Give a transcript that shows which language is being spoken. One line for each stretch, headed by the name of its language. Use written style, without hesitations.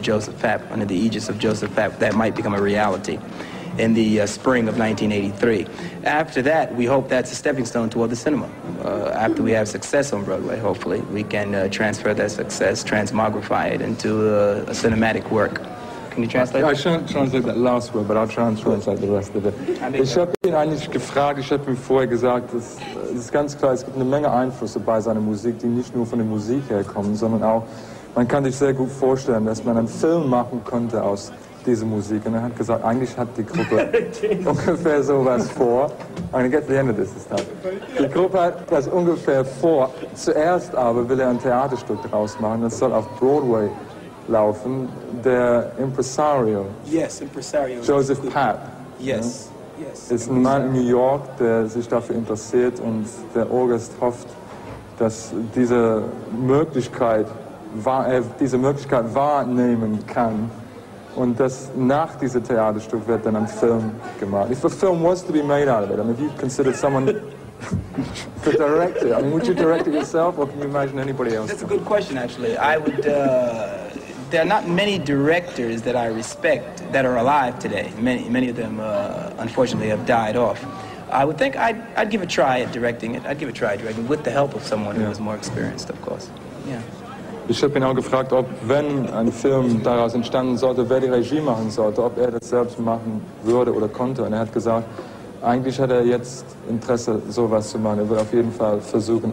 English: Joseph Papp, under the aegis of Joseph Papp. That might become a reality in the spring of 1983. After that, we hope that's a stepping stone toward the cinema. After we have success on Broadway, hopefully, we can transfer that success, transmogrify it into a cinematic work. Can you translate that? I shan't translate that last word, but I'll translate the rest of it.
German: Ich habe ihn eigentlich gefragt, ich habe ihm vorher gesagt, es ist ganz klar, es gibt eine Menge Einflüsse bei seiner Musik, die nicht nur von der Musik herkommen, sondern auch, man kann sich sehr gut vorstellen, dass man einen Film machen könnte aus diese Musik. Und er hat gesagt, eigentlich hat die Gruppe ungefähr sowas vor.
English: I'm gonna get the end of this stuff.
German: Die Gruppe hat das ungefähr vor. Zuerst aber will er ein Theaterstück draus machen. Das soll auf Broadway laufen. Der Impresario.
English: Yes, Impresario. Joseph Papp. Yes,
German: ja,
English: yes.
German: Ist ein Mann in New York, der sich dafür interessiert. Und der August hofft, dass diese Möglichkeit wahrnehmen kann. Und das nach diesem Theaterstück wird dann ein Film gemacht.
English: If a film was to be made out of it, I mean, if you considered someone to direct it, I mean, would you direct it yourself or can you imagine anybody else? That's a good question, actually. I would, there are not many directors that I respect that are alive today. Many of them, unfortunately, have died off. I would think I'd give a try at directing it. I'd give a try at directing it with the help of someone who was more experienced, of course. Yeah.
German: Ich habe ihn auch gefragt, ob, wenn ein Film daraus entstanden sollte, wer die Regie machen sollte, ob er das selbst machen würde oder konnte. Und er hat gesagt, eigentlich hat er jetzt Interesse, sowas zu machen. Er würde auf jeden Fall versuchen.